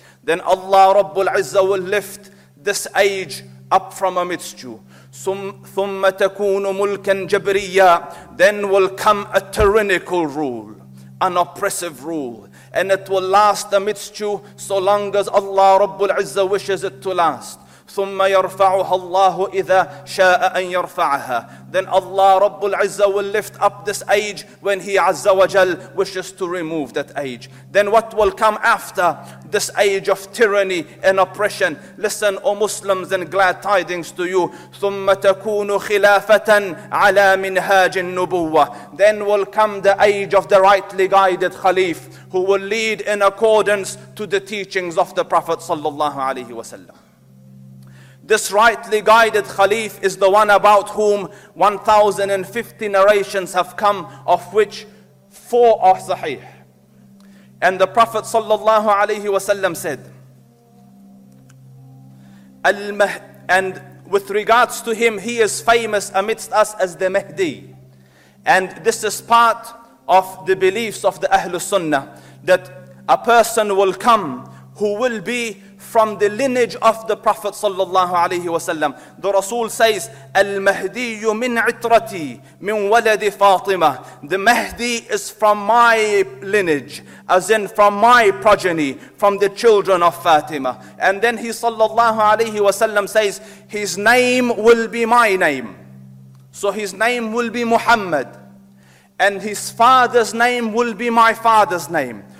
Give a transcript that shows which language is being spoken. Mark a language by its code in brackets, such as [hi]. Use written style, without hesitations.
[en] Then Allah Rabbul Izzah will lift this age up from amidst you. [ar] ثم تكون ملكا جبريا. [en] Then will come a tyrannical rule, an oppressive rule, and it will last amidst you so long as Allah Rabbul Izzah wishes it to last. [ar] ثم يرفعها الله إذا شاء أن يرفعها. [en] Then Allah Rabbul Izzah will lift up this age when He Azza wa Jal wishes to remove that age. Then what will come after this age of tyranny and oppression? Listen, O Muslims, and glad tidings to you. [ar] ثم تكون خلافة على منهاج النبوة. [en] Then will come the age of the rightly guided Khalif who will lead in accordance to the teachings of the Prophet sallallahu alayhi wa sallam. This rightly guided Khalif is the one about whom 1,050 narrations have come, of which 4 are sahih. And the Prophet sallallahu alayhi wasallam said, and with regards to him, he is famous amidst us as the Mahdi. And this is part of the beliefs of the Ahlus Sunnah, that a person will come who will be from the lineage of the Prophet sallallahu alayhi wasallam. The Rasul says, [ar] المهدي من عطرتي من ولد فاطمة. [en] The Mahdi is from my lineage, as in from my progeny, from the children of Fatima. And then he sallallahu alayhi wasallam says, his name will be my name. So his name will be Muhammad, and his father's name will be my father's name.